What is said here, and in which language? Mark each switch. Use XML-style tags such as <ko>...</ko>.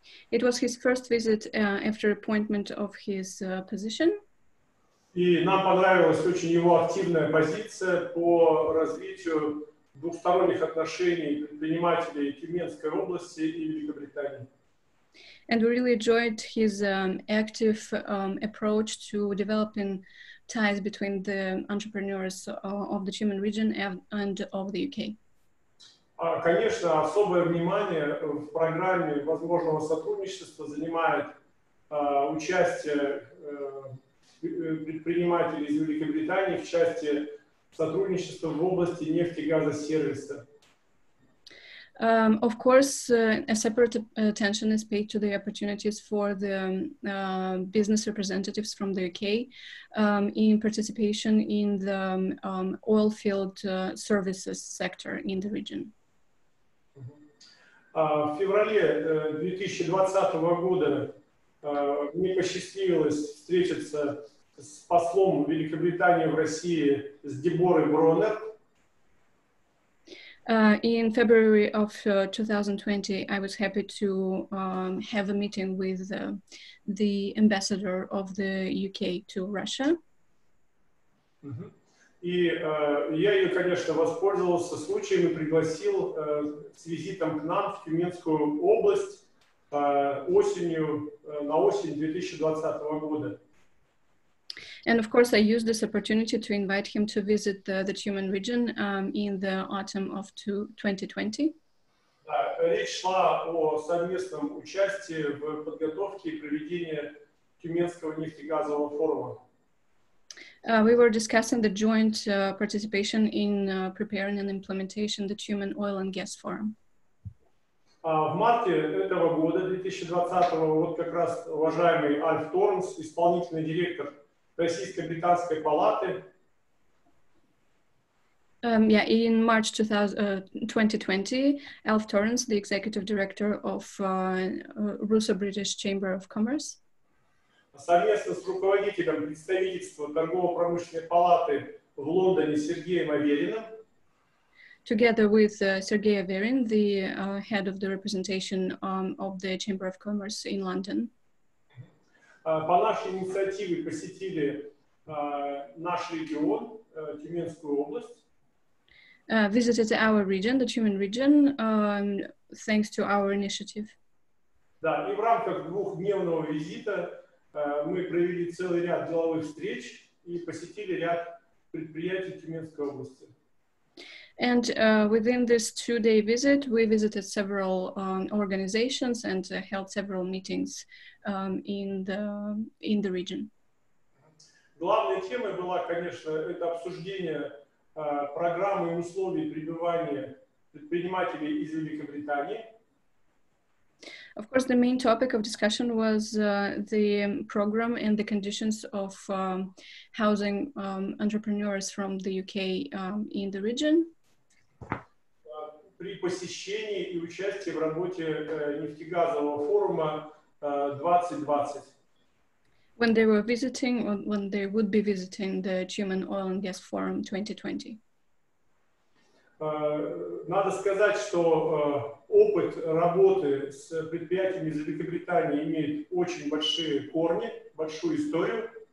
<en>It was his first visit after appointment of his position.</en> <ru>И нам понравилась очень его активная позиция по развитию двухсторонних отношений предпринимателей Тюменской области и Великобритании.</ru> <en>And we really enjoyed his active approach to developing ties between the entrepreneurs of the Tumen region and of the UK.</en> <ru>Конечно, особое внимание в программе возможного сотрудничества занимает участие предпринимателей из Великобритании в части сотрудничества в области нефтегазосервиса.</ru> <en>Of course, a separate attention is paid to the opportunities for the business representatives from the UK in participation in the oil field services sector in the region.</en> <ru>В феврале 2020 года мне посчастливилось встретиться с послом Великобритании в России, с Деборой Бронер.</ru> <en>In February of 2020, I was happy to have a meeting with the ambassador of the UK to Russia.</en> <ru>И я ее, конечно, воспользовался случаем и пригласил с визитом к нам в Тюменскую область осенью, на осень 2020 года.</ru> <en>And of course, I used this opportunity to invite him to visit the Tumen region in the autumn of 2020.</en> <ru>Речь шла о совместном участии в подготовке и проведении Тюменского нефтегазового форума.</ru> <en>We were discussing the joint participation in preparing and implementation the Tumen Oil and Gas Forum.</en> <ru>В марте этого года, 2020-го, вот как раз уважаемый Альф Торнс, исполнительный директор Российско-Британской палаты.</ru> <en>In March 2020, Альф Торнс, the executive director of Russo-British Chamber of Commerce,</en> <ru>совместно с руководителем представительства Торгово-промышленной палаты в Лондоне Сергеем Авериным.</ru> <en>Together with Sergey Averin, the head of the representation of the Chamber of Commerce in London.</en> <ru>По нашей инициативе посетили наш регион, Тюменскую область.</ru> <en>Visited our region, the Tumen region, thanks to our initiative.</en> <ru>Да, и в рамках двухдневного визита мы провели целый ряд деловых встреч и посетили ряд предприятий Тюменской области.</ru> <en>And within this two-day visit, we visited several organizations and held several meetings in the region.</en> <ru>Главной темой была, конечно, это обсуждение программы и условий пребывания предпринимателей из Великобритании.</ru> <en>Of course, the main topic of discussion was the program and the conditions of housing entrepreneurs from the UK in the region.</en> <ru>При посещении и участии в работе нефтегазового форума 2020.</ru> <en>When they were visiting, or when they would be visiting the Tumen Oil and Gas Forum 2020.</en> <ru>Надо сказать, что опыт работы с предприятиями из Великобритании имеет очень большие корни, большую историю.</ru>